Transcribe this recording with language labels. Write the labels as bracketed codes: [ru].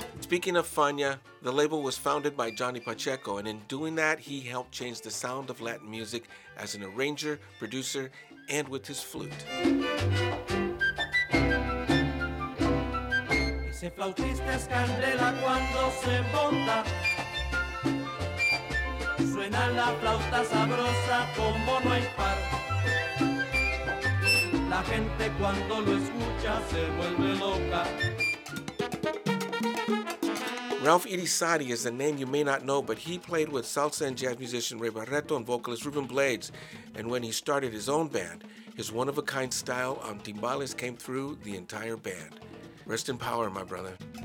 [en] Speaking of Fania, the label was founded by Johnny Pacheco, and in doing that, he helped change the sound of Latin music as an arranger, producer, and with his flute. [es] Ese flautista es candela cuando se monta. Suena la flauta sabrosa como no hay par. La gente cuando lo escucha se vuelve loca. [en] Ralph Irizarry is a name you may not know, but he played with salsa and jazz musician Ray Barreto and vocalist Ruben Blades. And when he started his own band, his one-of-a-kind style on timbales came through the entire band. Rest in power, my brother.